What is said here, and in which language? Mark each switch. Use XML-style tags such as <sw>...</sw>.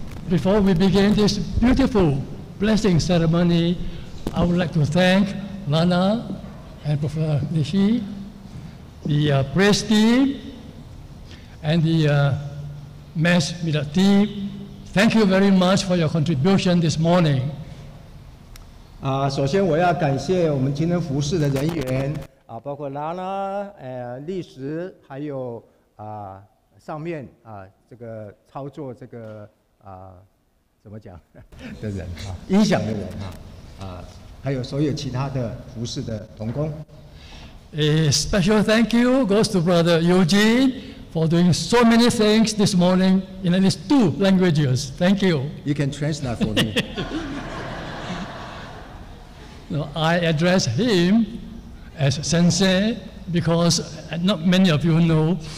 <en>Before we begin this beautiful blessing ceremony, I would like to thank Lana and Professor Nishi, the praise team, and the mass media team. Thank you very much for your contribution this morning.</en> <zh>首先我要感谢我们今天服事的人员，包括 Lana, 历史还有上面这个操作这个怎么讲的人啊，音响的人啊，还有所有其他的服事的同工。</zh> <en>A special thank you goes to Brother Eugene for doing so many things this morning in at least two languages. Thank you. You can translate for me. No, I address him as Sensei because not many of you know.</en>